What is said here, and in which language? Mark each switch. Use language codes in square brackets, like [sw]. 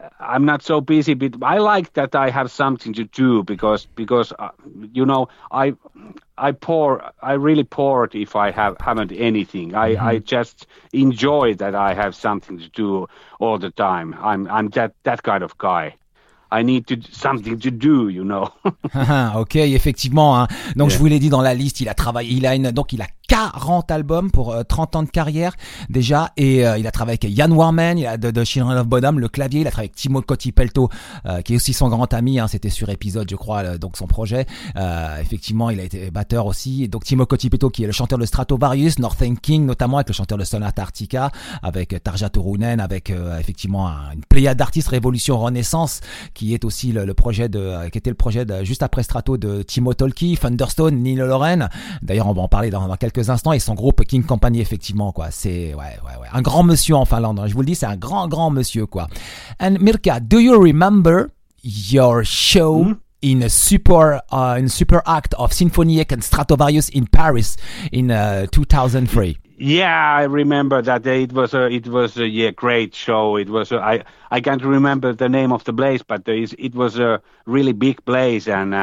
[en] I'm not so busy, but I like that I have something to do because I really pour it if I haven't anything. I just enjoy that I have something to do all the time. I'm that kind of guy. I need to something to do, you know. [fr] Ok, effectivement. Hein. Donc je [en] Yeah. [fr] vous l'ai dit dans la liste, il a travaillé, donc il a 40 albums pour 30 ans de carrière déjà, et il a travaillé avec Jan Warman, il a de Children of Bodom, le clavier, il a travaillé avec Timo Kartipelto, qui est aussi son grand ami. Hein, c'était sur Épisode, je crois, donc son projet. Effectivement, il a été batteur aussi. Et donc Timo Kartipelto, qui est le chanteur de Stratovarius, Northern King notamment, avec le chanteur de Sonata Arctica, avec Tarja Turunen, avec effectivement une pléiade d'artistes, Révolution Renaissance, qui est aussi le projet de qui était le projet de, juste après Strato, de Timo Tolkki, Thunderstone, Nino Loren. D'ailleurs, on va en parler dans quelques instants, et son groupe King Company, effectivement, quoi. C'est ouais, un grand monsieur en Finlande, je vous le dis, c'est un grand grand monsieur, quoi. [en] And Mirka, do you remember your show in a super act of Sinfonieque and Stratovarius in Paris in 2003? Yeah, I remember that it was a yeah, great show. It was I can't remember the name of the place, but it was a really big place, and